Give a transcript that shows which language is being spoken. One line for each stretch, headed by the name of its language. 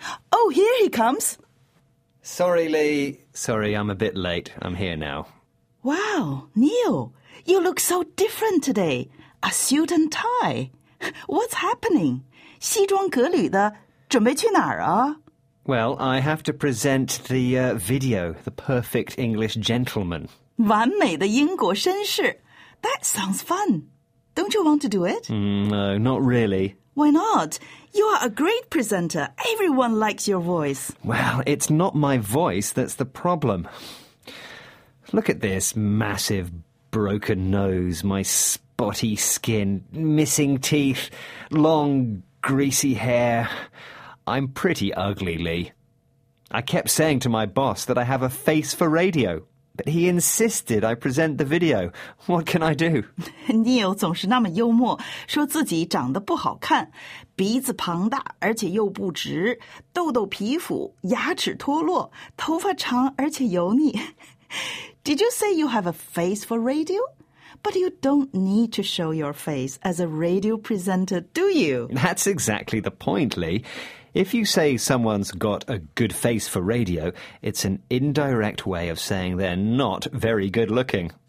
English: Oh, here he comes. Sorry, Lee. Sorry, I'm a bit late. I'm here now. Wow, Neil, you look so different today. A suit and tie. What's happening?
Chinese: 西装革履的，准备去哪儿啊？
English: Well, I have to present the video, The Perfect English Gentleman.
Chinese: 完美的英国绅士。
English: That sounds fun. Don't you want to do it? No, not really. Why not? You are a great presenter. Everyone likes your voice. Well, it's not my voice that's the problem. Look at this massive broken nose, my spotty skin, missing teeth, long greasy hair... I'm pretty ugly, Lee. I kept saying to my boss that I have a face for radio, but he insisted I present the video. What can I do?
Chinese: Neil 总是那么幽默，说自己长得不好看，鼻子庞大而且又不直，痘痘皮肤，牙齿脱落，头发长而且油腻。
English: Did you say you have a face for radio? But you don't need to show your face as a radio presenter, do you? That's exactly the point, Lee. If you say someone's got a good face for radio, it's an indirect way of saying they're not very good looking.